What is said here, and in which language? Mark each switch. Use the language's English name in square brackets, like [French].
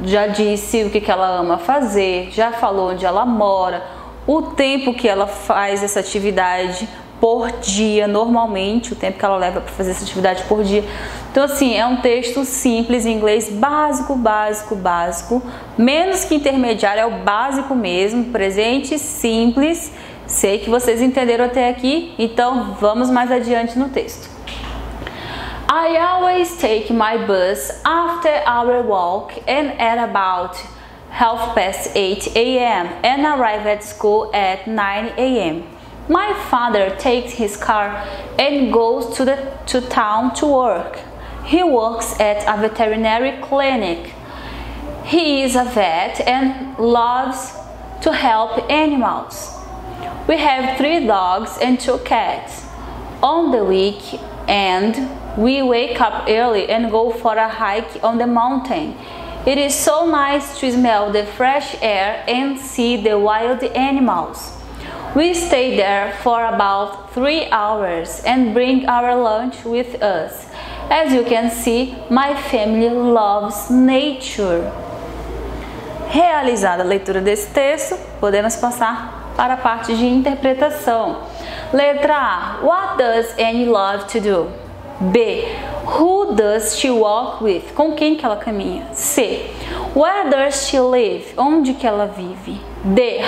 [Portuguese] Já disse o que ela ama fazer, já falou onde ela mora, o tempo que ela faz essa atividade por dia, normalmente, o tempo que ela leva para fazer essa atividade por dia. Então, assim, é um texto simples em inglês, básico, básico, básico. Menos que intermediário, é o básico mesmo, presente, simples. Sei que vocês entenderam até aqui, então vamos mais adiante no texto. [English] I always take my bus after our walk and at about 8:30 a.m. and arrive at school at 9 a.m. My father takes his car and goes to town to work. He works at a veterinary clinic. He is a vet and loves to help animals. We have 3 dogs and 2 cats. On the weekend, we wake up early and go for a hike on the mountain. It is so nice to smell the fresh air and see the wild animals. We stay there for about 3 hours and bring our lunch with us. As you can see, my family loves nature. [Portuguese] Realizada a leitura desse texto, podemos passar para a parte de interpretação. Letra A. [English] What does Annie love to do? B. Who does she walk with? [Portuguese] Com quem que ela caminha? [English] C. Where does she live? [Portuguese] Onde que ela vive? [English] D.